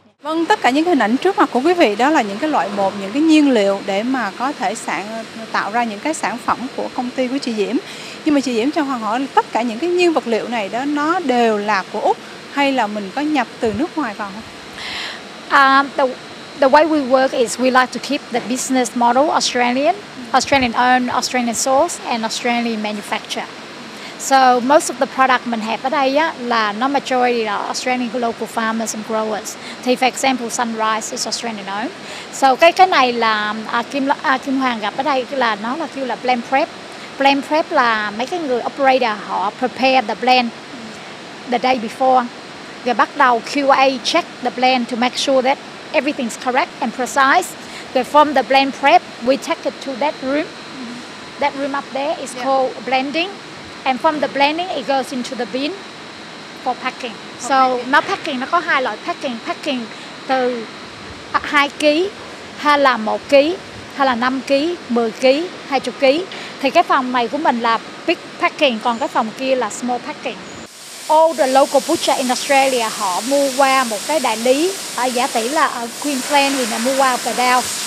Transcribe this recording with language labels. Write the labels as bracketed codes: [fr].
[vi] Vâng, tất cả những hình ảnh trước mặt của quý vị đó là những cái loại bột, những cái nhiên liệu để mà có thể tạo ra những cái sản phẩm của công ty của chị Diễm. Nhưng mà chị Diễm cho Hoàng hỏi là tất cả những cái nguyên vật liệu này đó nó đều là của Úc hay là mình có nhập từ nước ngoài vào không? [en] The way we work is we like to keep the business model Australian, Australian owned, Australian source and Australian manufacturer. So most of the product mình have ở đây á, là nó majority là Australian local farmers and growers. Thì for example Sunrise is Australian owned. [vi] So cái này là Kim Hoàng gặp ở đây là nó là kêu là blend prep. [en] Blend prep là mấy cái người operator họ prepare the blend the day before. Rồi bắt đầu QA check the blend to make sure that everything's correct and precise. Rồi from the blend prep, we take it to that room. That room up there is called blending. And from the blending, it goes into the bin for packing. [vi] So nó packing, nó có hai loại packing. Packing từ 2 kg hay là 1 kg. hay là 5kg, 10kg, 20kg. Thì cái phòng này của mình là big packing, còn cái phòng kia là small packing. All the local butcher in Australia họ mua qua một cái đại lý, giả tỷ là ở Queensland thì là mua qua The Dow.